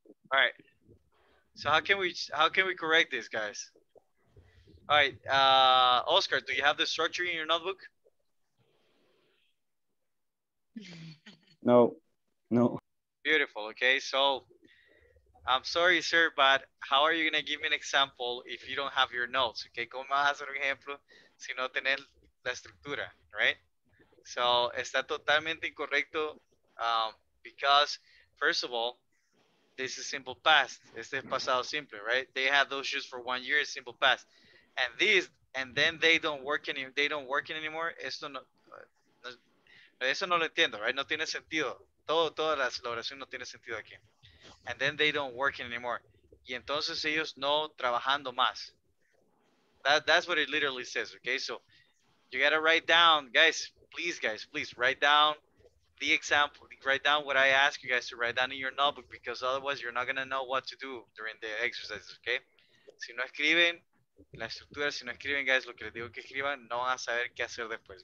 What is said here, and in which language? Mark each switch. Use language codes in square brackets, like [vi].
[en] All right. So how can we correct this, guys? All right. Oscar, do you have the structure in your notebook? No. Beautiful. Okay, so I'm sorry, sir, but how are you gonna give me an example if you don't have your notes? [es] Okay, ¿cómo vas a hacer un ejemplo si no tenés la estructura? [en] Right? So [es] está totalmente incorrecto, [en] because first of all, this is simple past. [es] Este es pasado simple, right? [en] They had those shoes for 1 year, simple past. And then they don't work anymore. [es] Esto no. Eso no lo entiendo, right? No tiene sentido. Toda la oración no tiene sentido aquí. [en] And then they don't work anymore. [es] Y entonces ellos no trabajando más. [en] That's what it literally says, okay? So you got to write down, guys, please write down the example. Write down what I ask you guys to write down in your notebook, because otherwise you're not going to know what to do during the exercises, okay? [es] Si no escriben la estructura, si no escriben, guys, lo que les digo que escriban, no van a saber qué hacer después.